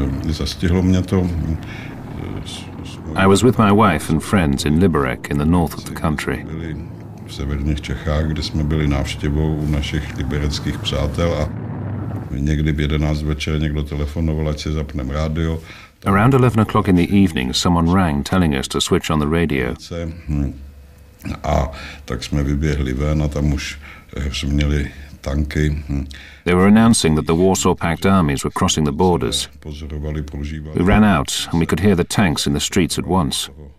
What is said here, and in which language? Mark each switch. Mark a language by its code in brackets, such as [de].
[en] I was with my wife and friends in Liberec in the north of the country. [cs] V severních Čechách, kde jsme byli návštěvou u našich libereckých přátel a někdy v 11 večer někdo telefonoval, ať si zapneme rádio, [en] Around 11 o'clock in the evening, someone rang telling us to switch on the radio. They were announcing that the Warsaw Pact armies were crossing the borders. We ran out and we could hear the tanks in the streets at once.